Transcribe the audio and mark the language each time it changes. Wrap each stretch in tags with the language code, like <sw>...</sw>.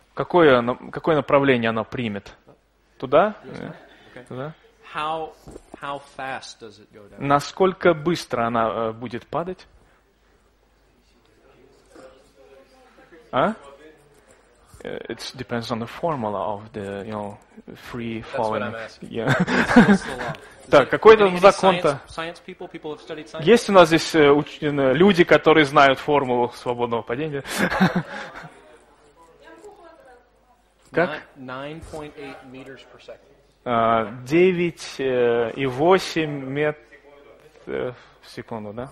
<ru>Какое направление оно примет? Туда? Туда?</ru> <en>How fast does it go down?</en> <ru>Насколько быстро она будет падать? А?</ru> <en>It depends on the formula of the, you know, free falling. That's what I'm asking.</en> <ru>Yeah. Так, какой там закон-то? Есть у нас здесь люди, которые знают формулу свободного падения? Как?</ru> <en>9.8 meters per second.</en> <ru>9,8 метров в секунду, да?</ru>